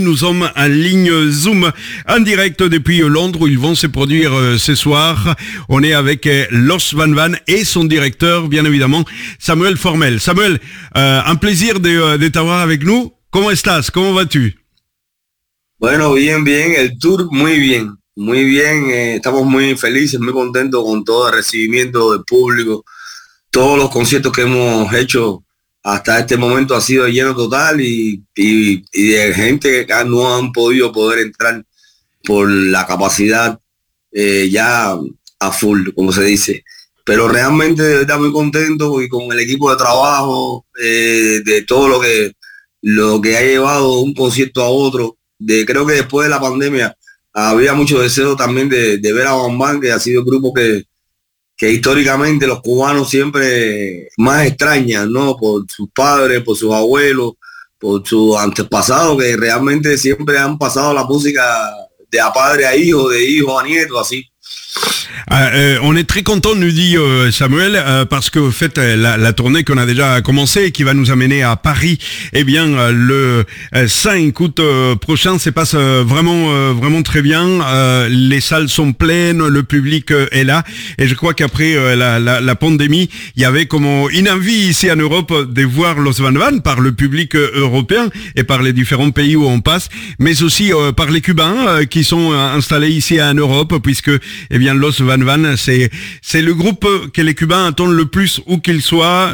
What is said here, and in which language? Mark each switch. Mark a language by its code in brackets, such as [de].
[fr] Nous sommes en ligne Zoom en direct depuis Londres où ils vont se produire ce soir. On est avec Los Van Van et son directeur, bien évidemment, Samuel Formel. Samuel, un plaisir de t'avoir avec nous. [es] Comment estás? [fr] Comment vas-tu? [es] Bueno, bien, bien. El tour, muy bien. Muy bien, estamos muy felices, muy contentos con todo el recibimiento del público. Todos los conciertos que hemos hecho hasta este momento han sido lleno total y de gente que no han podido poder entrar por la capacidad ya a full, como se dice. Pero realmente está muy contento y con el equipo de trabajo, de todo lo que ha llevado un concierto a otro. Creo que después de la pandemia había mucho deseo también de ver a Van Van, que ha sido un grupo que históricamente los cubanos siempre más extrañan, ¿no? Por sus padres, por sus abuelos, por sus antepasados, que realmente siempre han pasado la música de a padre a hijo, de hijo a nieto, así. [fr] On est très content, nous dit Samuel, parce que au fait la tournée qu'on a déjà commencé et qui va nous amener à Paris, eh bien le 5 août prochain, se passe vraiment vraiment très bien. Les salles sont pleines, le public est là, et je crois qu'après la pandémie, il y avait comme une envie ici en Europe de voir Los Van Van par le public européen et par les différents pays où on passe, mais aussi par les Cubains qui sont installés ici en Europe, puisque eh bien Los Van Van, c'est le groupe que les Cubains attendent le plus où qu'ils soient.